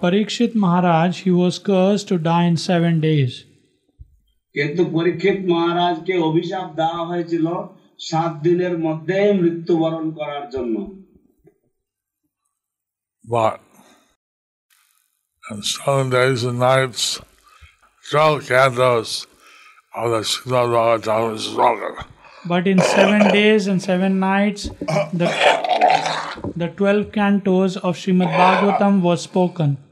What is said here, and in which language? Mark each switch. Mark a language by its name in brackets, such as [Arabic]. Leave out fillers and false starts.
[English] Parikshit Maharaj, he was cursed to die in 7 days. [Bangla] কিন্তু পরীক্ষিত মহারাজকে অভিশাপ দেওয়া হয়েছিল 7 দিনের মধ্যে মৃত্যুবরণ করার জন্য [English] And 7 days and nights, 12 cantos of the Srimad Bhagavatam was spoken. But in 7 days and 7 nights, the 12 cantos of Srimad Bhagavatam was spoken.